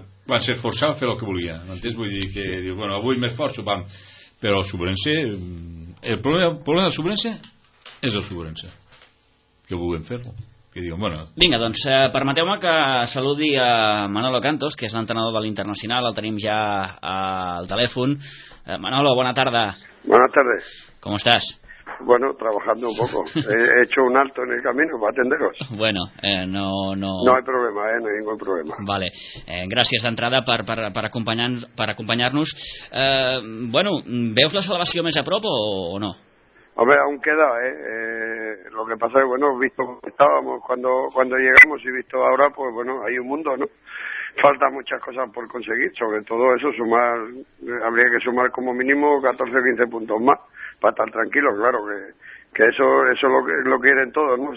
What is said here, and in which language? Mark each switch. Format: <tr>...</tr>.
<ca>Quan s'esforçava a fer el que volia. M'entens? Vull dir que, bueno, avui m'esforço, pam. Però el Sobrense... El problema del Sobrense és el Sobrense. Que vulguem fer-lo. Vinga, doncs permeteu-me que saludi a Manolo Cantos, que és l'entrenador de l'Internacional, el tenim ja al telèfon. Manolo, bona tarda.</ca> <es>Buenas tardes. ¿Cómo estás? Bueno, trabajando un poco. He hecho un alto en el camino para atenderos. Bueno, no... No hay problema, no hay ningún problema. Vale.</es> <ca>Gràcies d'entrada per acompanyar-nos. Bueno, ¿veus la salvació més a prop o no?</ca> <es>Hombre, aún queda, lo que pasa es, bueno, visto cómo estábamos cuando llegamos y visto ahora, pues bueno, hay un mundo, ¿no? Faltan muchas cosas por conseguir, sobre todo eso, habría que sumar como mínimo 14-15 puntos más, para estar tranquilos, claro, que eso lo quieren todos, ¿no?</es>